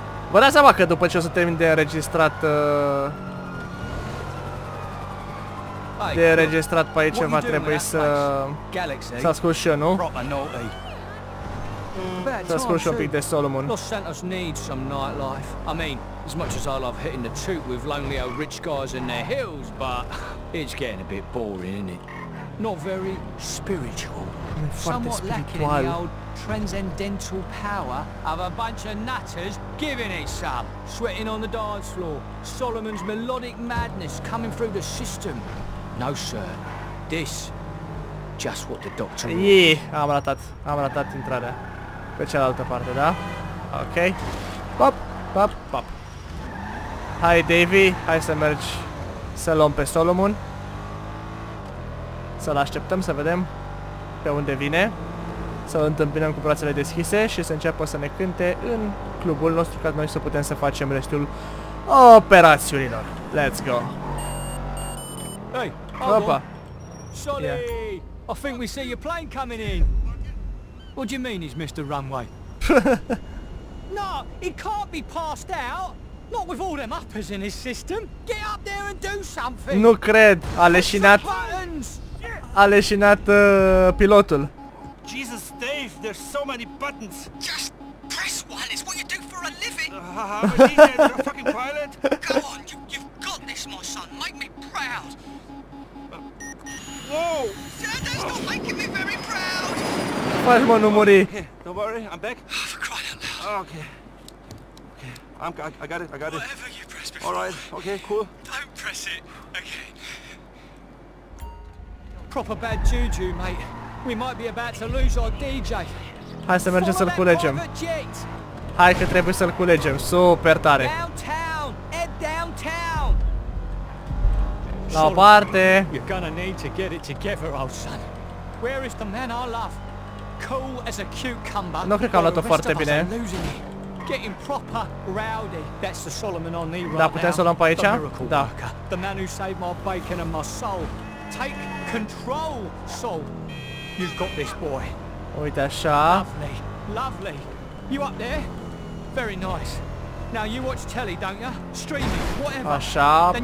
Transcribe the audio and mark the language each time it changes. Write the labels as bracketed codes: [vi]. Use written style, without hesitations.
[ro] Vă dați seama că după ce o să termin de înregistrat de înregistrat pe aici va trebui să să ascult și eu, nu? Să ascult și un pic de Solomon. [en] Los Santos needs some nightlife. I mean, as much as I love hitting the troop with lonely old rich guys in their hills, but it's getting a bit boring, isn't it? Not very spiritual. Somewhat lacking in the old transcendental power of a bunch of nutters giving it some. Sweating on the dance floor. Solomon's melodic madness coming through the system. No, sir. This, just what the doctor wants. Yeah, [ro] am ratat intrarea. Pe cealaltă parte, da? Ok. Pop, pop, pop. Hai, Davy, hai să mergi să luăm pe Solomon. Să-l așteptăm, să vedem pe unde vine. Să-l întâmpinăm cu brațele deschise și să înceapă să ne cânte în clubul nostru ca noi să putem să facem restul operațiunilor. [en] Let's go! Hey, opa! Solly! Yeah. I think we see your plane coming in! What do you mean he's missed the runway? No, he can't be passed out! Not with all them uppers in his system! Get up there and do something! [ro] Nu cred! A leșinat! A leșinat pilotul! [en] Jesus, Dave, there's so many buttons! Just press one, it's what you do for a living! Ha ha, but he's a fucking pilot! Come on, you've got this, my son! Make me proud! Whoa! Santa's not making me very proud! [ro] Faci, mă, nu muri! [en] Okay, don't worry, I'm back! For crying out loud! Oh, okay. Okay. I got it. Whatever you press before. Alright, okay, cool. Don't press it again. Proper bad juju, mate. We might be about to lose our DJ. [ro] Hai să mergem să-l culegem. Hai că trebuie să-l culegem. Super tare. [en] Downtown. Head downtown. [ro] La o parte. [en] You're gonna need to get it together, old son. Where is the man I love? Cool as a cucumber. [ro] Nu cred că am luat-o foarte bine. [en] Getting proper rowdy. That's the Solomon on the right. [ro] Da, putem să-l luăm pe aici? Da. [en] The man who saved my bacon and my soul. Take control, soul. You've got this, boy. [ro] Uite așa. [en] Lovely, lovely. You up there? Very nice. Now you watch telly, don't ya? Streaming, whatever. [ro] Așa, pe aici.